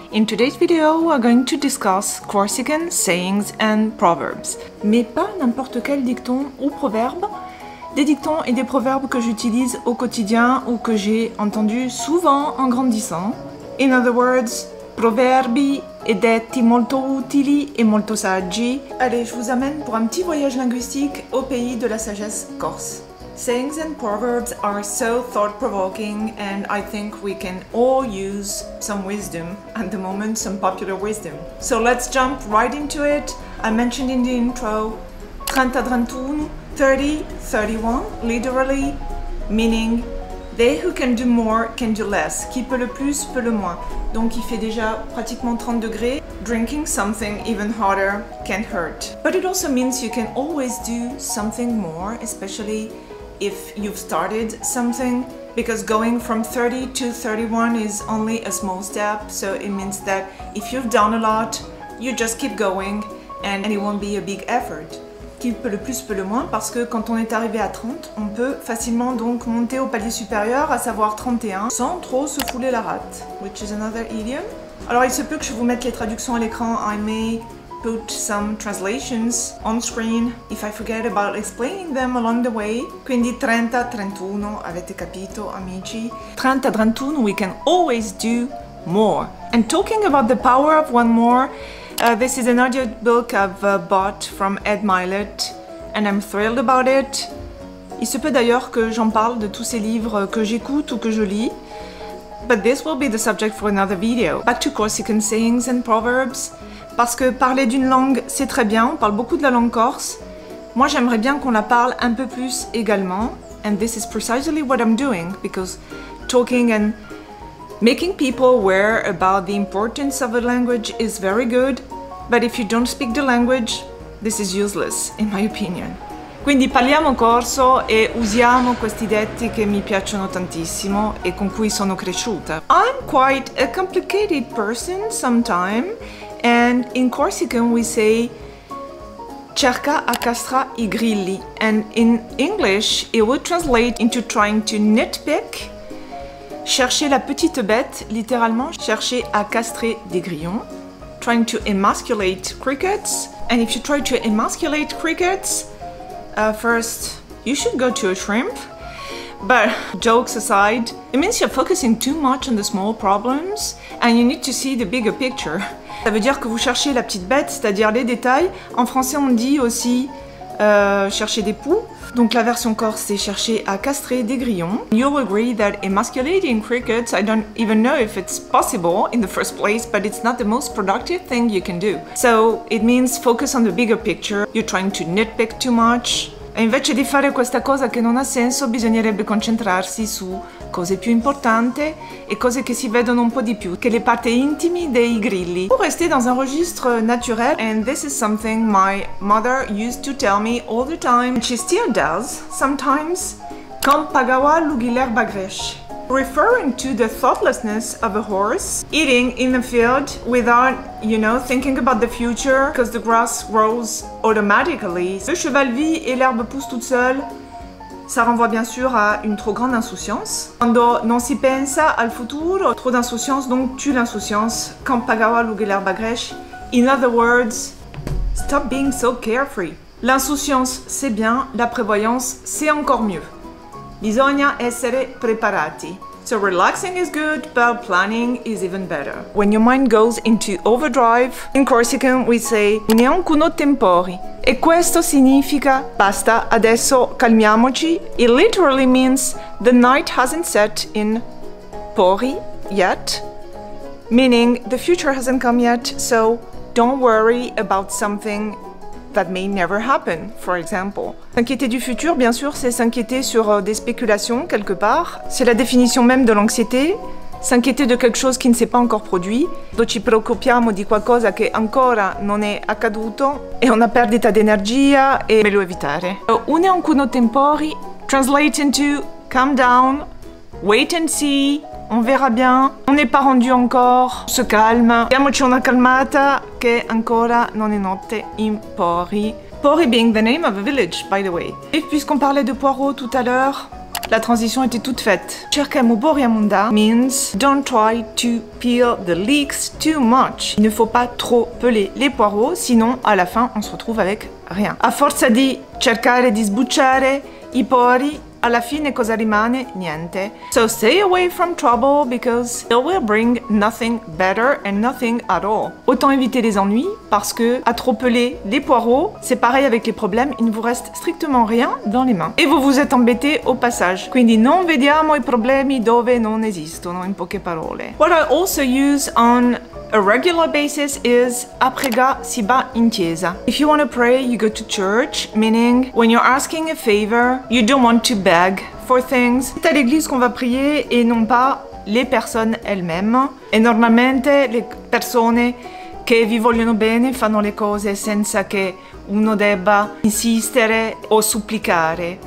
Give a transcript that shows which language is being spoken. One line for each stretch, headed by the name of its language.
English: In today's video, we're going to discuss Corsican sayings and proverbs.
French: Mais pas n'importe quel dicton ou proverbe. Des dictons et des proverbes que j'utilise au quotidien ou que j'ai entendu souvent en grandissant.
English: In other words,
Italian: proverbi e detti molto utili e molto saggi.
French: Allez, je vous amène pour un petit voyage linguistique au pays de la sagesse corse.
English: Sayings and proverbs are so thought-provoking, and I think we can all use some wisdom at the moment, some popular wisdom. So let's jump right into it. I mentioned in the intro, 30 à 31, 30, 31, literally, meaning they who can do more can do less.
French: Qui peut le plus peut le moins. Donc il fait déjà pratiquement 30 degrés.
English: Drinking something even hotter can hurt. But it also means you can always do something more, especially if you've started something, because going from 30 to 31 is only a small step, so it means that if you've done a lot, you just keep going and it won't be a big effort.
French: Qui peut le plus peut le moins, parce que quand on est arrivé à 30, on peut facilement donc monter au palier supérieur, à savoir 31, sans trop se fouler la rate.
English: Which is another idiom.
French: Alors il se peut que je vous mette les traductions à l'écran.
English: I may put some translations on screen if I forget about explaining them along the way.
Italian: Quindi 30, 31, avete capito, amici?
English: 30, 31, we can always do more. And talking about the power of one more, this is an audio book I've bought from Ed Milet, and I'm thrilled about it.
French: Il se peut d'ailleurs que j'en parle de tous ces livres que j'écoute ou que je lis.
English: But this will be the subject for another video. Back to Corsican sayings and proverbs.
French: Parce que parler d'une langue, c'est très bien, on parle beaucoup de la langue corse. Moi, j'aimerais bien qu'on la parle un peu plus également.
English: And this is precisely what I'm doing, because talking and making people aware about the importance of a language is very good, but if you don't speak the language, this is useless, in my opinion.
Italian: Quindi parliamo corso e usiamo questi detti che mi piacciono tantissimo e con cui sono cresciuta.
English: I'm quite a complicated person sometimes. And in Corsican we say
Corsican: cerca a castra I grilli,
English: and in English it would translate into trying to nitpick,
French: chercher la petite bête, littéralement chercher à castrer des grillons,
English: trying to emasculate crickets. And if you try to emasculate crickets, first you should go to a shrimp. But jokes aside, it means you're focusing too much on the small problems and you need to see the bigger picture.
French: Ça veut dire que vous cherchez la petite bête, c'est-à-dire les détails. En français, on dit aussi chercher des poux. Donc la version corse, c'est chercher à castrer des grillons.
English: You'll agree that emasculating crickets, I don't even know if it's possible in the first place, but it's not the most productive thing you can do. So it means focus on the bigger picture. You're trying to nitpick too much.
Italian: E invece di fare questa cosa che non ha senso, bisognerebbe concentrarsi su cose più importanti e cose che si vedono un po' di più, che le parti intime dei grilli.
French: Pour rester dans un registre naturel,
English: and this is something my mother used to tell me all the time, and she still does sometimes,
Corsican: quand pagawa lughi l'erba gresh.
English: Referring to the thoughtlessness of a horse eating in the field without, you know, thinking about the future, because the grass grows automatically.
French: Le cheval vit et l'herbe pousse toute seule. Ça renvoie bien sûr à une trop grande insouciance.
Italian: Quando non si pensa al futuro,
French: trop d'insouciance donc tue l'insouciance.
Corsican: Quand pagawa lughi l'erba gresh.
English: In other words, stop being so carefree.
French: L'insouciance c'est bien, la prévoyance c'est encore mieux.
Italian: Bisogna essere preparati.
English: So relaxing is good, but planning is even better. When your mind goes into overdrive, in Corsican we say
Corsican: neanche uno tempori.
Italian: E questo significa basta, adesso calmiamoci.
English: It literally means the night hasn't set in pori yet, meaning the future hasn't come yet, so don't worry about something that may never happen, for example.
French: S'inquiéter du futur, bien sûr, c'est s'inquiéter sur des spéculations quelque part. C'est la définition même de l'anxiété. s'inquiéter de quelque chose qui ne s'est pas encore produit,
Italian: o ci preoccupiamo di qualcosa che ancora non è accaduto, e una perdita d'energia, e meglio evitare.
Corsican: Une en cuno tempori,
English: translate into calm down, wait and see,
French: on verra bien, on n'est pas rendu encore, on se calme,
Italian: diamoci una calmata che ancora non è notte in pori.
English: Pori being the name of a village, by the way.
French: Et puisqu'on parlait de poireaux tout à l'heure, la transition était toute faite.
Corsican: Cercamo Boriamunda
English: means don't try to peel the leeks too much.
French: Il ne faut pas trop peler les poireaux, sinon à la fin on se retrouve avec rien.
Italian: A forza di cercare di sbucciare i pori, alla fine cosa rimane? Niente.
English: So stay away from trouble because it will bring nothing better and nothing at all.
French: Autant éviter les ennuis parce que à trop peler les poireaux, c'est pareil avec les problèmes, il ne vous reste strictement rien dans les mains. Et vous vous êtes embêté au passage.
Italian: Quindi non vediamo i problemi dove non esistono, in poche parole.
English: What I also use on a regular basis is
Corsican: a prega si va in chiesa.
English: If you want to pray, you go to church, meaning when you're asking a favor, you don't want to beg for things.
French: C'est à l'église qu'on va prier et non pas les personnes elles-mêmes. Et
Italian: normalmente le persone che vi vogliono bene fanno le cose senza che uno debba insistere o supplicare.